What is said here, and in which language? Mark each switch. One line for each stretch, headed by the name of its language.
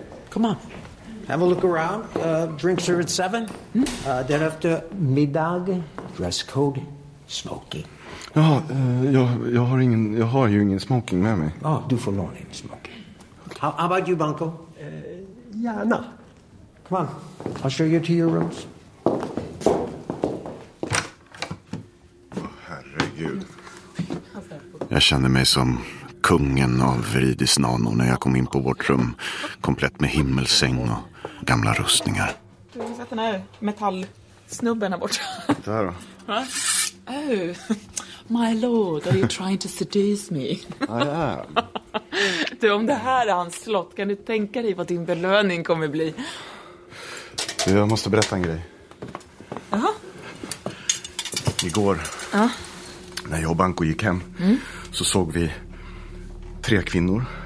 English: Come on. Have a look around. Drinks are at 7.
Swedish: Därefter middag.
English: Dress code.
Swedish: Smoking. Ja, jag har ju ingen smoking med mig. Ja, du får låna en smoking.
English: Okay. How about you, Banko?
Swedish: Gärna.
English: Come on, I'll show you to your rooms.
Swedish: Herregud. Jag kände mig som kungen av Viridis Nano när jag kom in på vårt rum. Komplett med himmelsäng och gamla rustningar. Du har sett den här metallsnubben här borta. Det här då? Va?
English: Oh, my lord, are you trying to seduce me? I am.
Swedish: Du, om det här är hans slott, kan du tänka dig vad din belöning kommer bli? Jag måste berätta en grej. Jaha. Igår, när jag och Banko gick hem, så såg vi 3 kvinnor.